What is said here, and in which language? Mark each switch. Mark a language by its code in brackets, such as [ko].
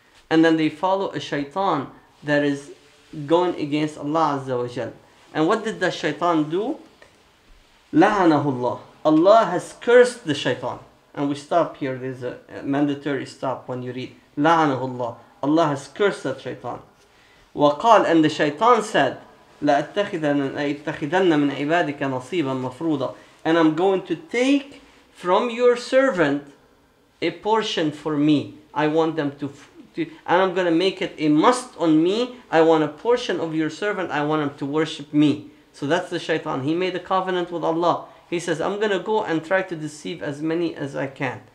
[en] And then they follow a shaitan that is going against Allah Azza wa Jal. And what did the shaitan do? [ar] لَعَنَهُ اللَّهُ. [en] Allah has cursed the shaitan. And we stop here, there's a mandatory stop when you read [ar] لَعَنَهُ اللَّهُ. [en] Allah has cursed that shaitan. [ar] وقال, [en] and the shaitan said, [ar] لَأَتَّخِذَنَّ مِنْ عِبَادِكَ نَصِيبًا مَفْرُوضًا. [en] And I'm going to take from your servant a portion for me. I want them to and I'm going to make it a must on me. I want a portion of your servant. I want them to worship me. So that's the shaitan. He made a covenant with Allah. He says, I'm going to go and try to deceive as many as I can.